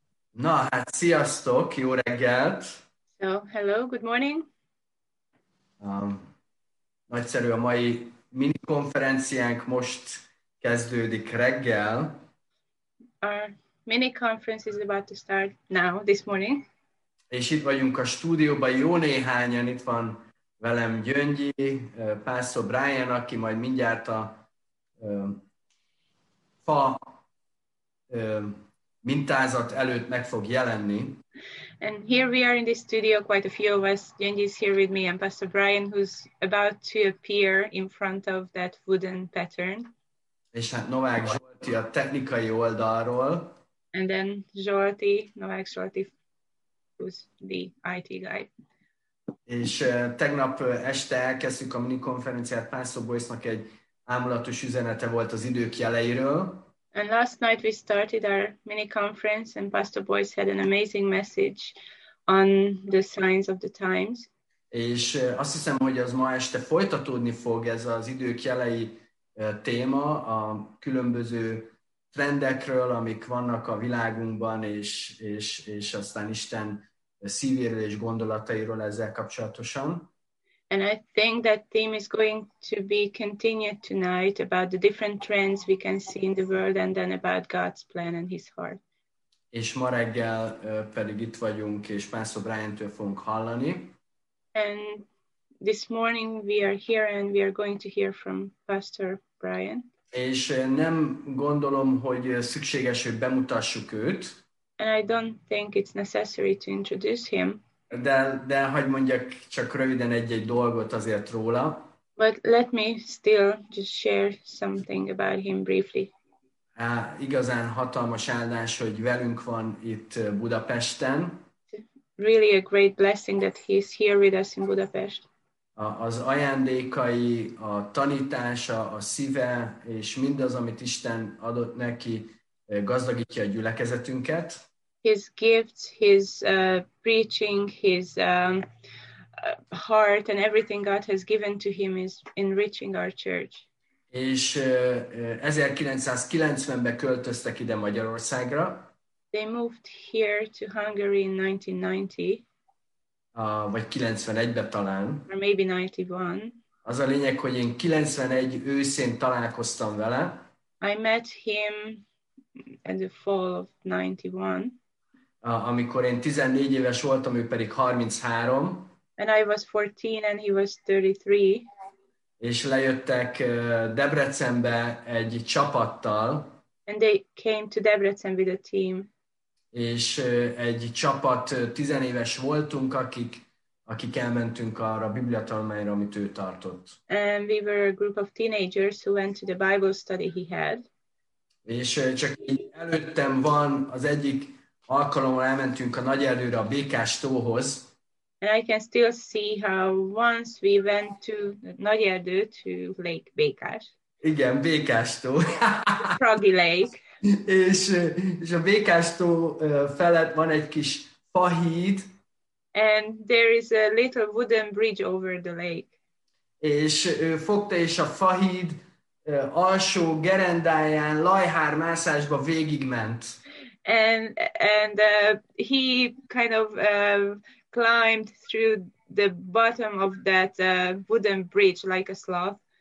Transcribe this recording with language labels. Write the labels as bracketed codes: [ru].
[hu] Na, hát sziasztok, jó reggelt! [en] So, hello, good morning. [hu] Nagyszerű a mai minikonferenciánk, most kezdődik reggel. [en] Our mini conference is about to start now, this morning. [hu] És itt vagyunk a stúdióban, jó néhányan, itt van velem Gyöngyi, Pászor Brian, aki majd mindjárt a fa mintázat előtt meg fog jelenni. [en] And here we are in this studio, quite a few of us. Gyöngyi is here with me and Pastor Brian, who's about to appear in front of that wooden pattern. [hu] És hát Novák Zsolti a technikai oldalról. [en] And then Zsolti, Novák Zsolti, who's the IT guy. [hu] És tegnap este elkezdtük a minikonferenciát, Pászor Boyce-nak egy ámulatos üzenete volt az idők jeleiről. [en] And last night we started our mini conference and Pastor Boyce had an amazing message on the signs of the times. [hu] És azt hiszem, hogy az ma este folytatódni fog ez az idők jelei téma, a különböző trendekről, amik vannak a világunkban, és aztán Isten szívéről és gondolatairól ezzel kapcsolatosan. [en] And I think that theme is going to be continued tonight about the different trends we can see in the world and then about God's plan and his heart. [hu] És ma reggel pedig itt vagyunk, és Pászor Brian-től fogunk hallani. [en] And this morning we are here and we are going to hear from Pastor Brian. [hu] És nem gondolom, hogy szükséges, hogy bemutassuk őt. [en] And I don't think it's necessary to introduce him. [hu] De hogy mondjak csak röviden egy-egy dolgot azért róla. [en] But let me still just share something about him briefly. [hu] Igazán hatalmas áldás, hogy velünk van itt Budapesten. [en] Really a great blessing that he is here with us in Budapest. [hu] Az ajándékai, a tanítása, a szíve, és mindaz, amit Isten adott neki, gazdagítja a gyülekezetünket. [en] His gifts, his preaching, his heart, and everything God has given to him is enriching our church. [hu] És 1990-ben költöztek ide Magyarországra. [en] They moved here to Hungary in 1990. [hu] Vagy 91-ben talán. [en] Or maybe 91. [hu] Az a lényeg, hogy én 91 őszén találkoztam vele. [en] I met him at the fall of 91. [hu] Amikor én 14 éves voltam, ő pedig 33. [en] And I was 14 and he was 33. [hu] És lejöttek Debrecenbe egy csapattal. [en] And they came to Debrecen with a team. [hu] És egy csapat 10 éves voltunk, akik elmentünk arra a bibliatanulmányra, amit ő tartott. [en] And we were a group of teenagers who went to the Bible study he had. [hu] És csak így előttem van az egyik alkalommal elmentünk a Nagyerdőre, a Békás tóhoz. [en] And I can still see how once we went to Nagyerdő, to Lake Békás. [hu] Igen, Békás tó. [en] Froggy Lake. [hu] És a Békás tó felett van egy kis fahíd. [en] And there is a little wooden bridge over the lake. [hu] És fogta és a fahíd alsó gerendáján lajhár mászásba végigment. [en] And he kind of climbed through the bottom of that wooden bridge like a sloth.